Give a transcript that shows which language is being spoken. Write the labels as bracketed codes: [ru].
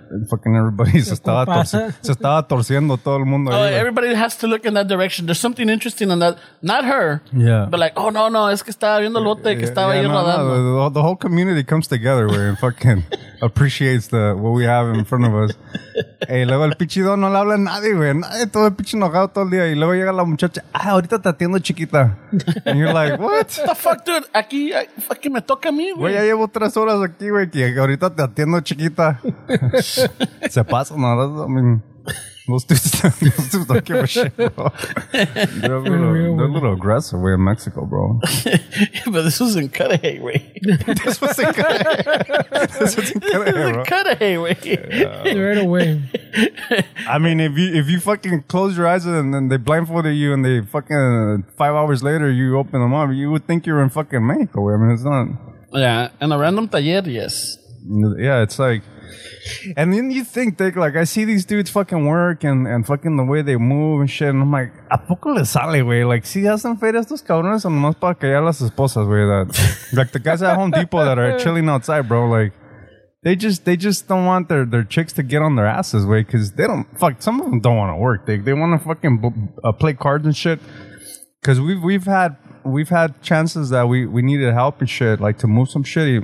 [en] And fucking everybody [es] se estaba torciendo todo el mundo. [en] Oh, ahí, everybody like, has to look in that direction. There's something interesting in that. Not her. Yeah. But like, oh, [es] no, es que estaba viendo el bote que estaba ahí rodando. [en] The whole community comes together, güey, and fucking... appreciates the what we have in front of us. [es] Hey, luego el pichido no le habla a nadie, güey. Nadie, todo el pichido enojado todo el día. Y luego llega la muchacha, ah, ahorita te atiendo chiquita. [en] And you're like, what? What the fuck, dude? [es] Aquí, fucking me toca a mí, güey. Ya llevo 3 horas aquí, güey, que ahorita te atiendo chiquita. Se pasa, no, [en] that's, I mean, those dudes don't give a shit, bro. They're a little aggressive, way in Mexico, bro. But this was in Cudahy, way. This was in Cudahy. This was in Cudahy, bro. This was in Cudahy, way. Yeah. Right away. I mean, if you fucking close your eyes and then they blindfolded you and they fucking 5 hours later you open them up, you would think you're in fucking Mexico. I mean, it's not... Yeah, in a random taller, yes. Yeah, it's like... And then you think, Dick, like, I see these dudes fucking work and fucking the way they move and shit. And I'm like, [es] ¿a poco les sale, güey? Like, si hacen feria estos cabrones, son más para callar las esposas, güey. [en] Like, the guys at Home Depot that are chilling outside, bro, like, they just don't want their chicks to get on their asses, güey, because they don't, fuck, some of them don't want to work, Dick. They want to fucking play cards and shit. Because we've had chances that we needed help and shit, like to move some shit.